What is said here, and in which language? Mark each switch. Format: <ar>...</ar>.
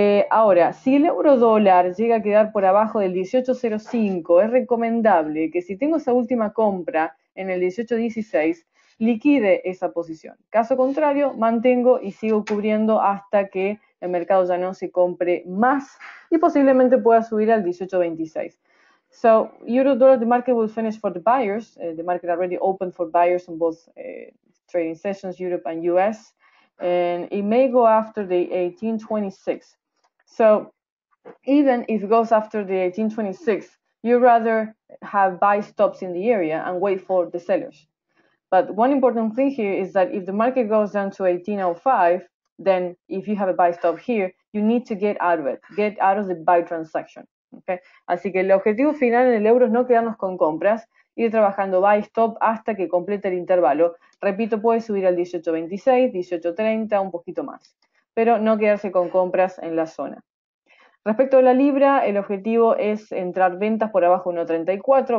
<es>Ahora, si el euro dólar llega a quedar por abajo del 18.05, es recomendable que si tengo esa última compra en el 18.16, liquide esa posición. Caso contrario, mantengo y sigo cubriendo hasta que el mercado ya no se compre más y posiblemente pueda subir al 18.26.</es> <en>So, euro dólar, the market will finish for the buyers. The market already opened for buyers in both trading sessions, Europe and US. And it may go after the 18.26. So, even if it goes after the 18.26, you'd rather have buy stops in the area and wait for the sellers. But one important thing here is that if the market goes down to 18.05, then if you have a buy stop here, you need to get out of it, get out of the buy transaction. Okay.</en> <es>Así que el objetivo final en el euro es no quedarnos con compras, ir trabajando buy stop hasta que complete el intervalo. Repito, puede subir al 18.26, 18.30, un poquito más, pero no quedarse con compras en la zona. Respecto a la libra, el objetivo es entrar ventas por abajo 1.34.</es>